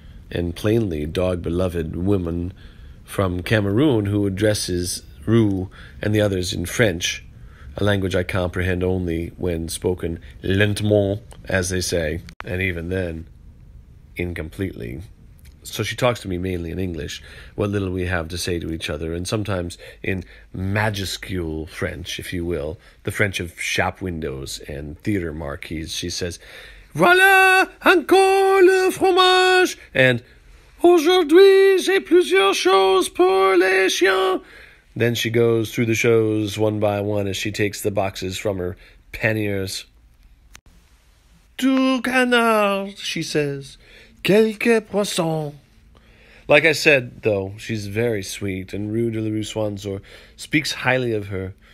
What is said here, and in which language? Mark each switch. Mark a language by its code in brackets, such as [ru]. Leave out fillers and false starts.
[en] and plainly dog-beloved woman from Cameroon who addresses Rue and the others in French, a language I comprehend only when spoken lentement, as they say, and even then, incompletely. So she talks to me mainly in English, what little we have to say to each other, and sometimes in majuscule French, if you will, the French of shop windows and theater marquees. She says, [fr] voilà encore le fromage, [en] and [fr] aujourd'hui j'ai plusieurs choses pour les chiens. [en] Then she goes through the shows one by one as she takes the boxes from her panniers. [fr] Du canard, [en] she says. [fr] Quelques poissons. [en] Like I said, though, she's very sweet, and Rue de la Rue Swanzor speaks highly of her.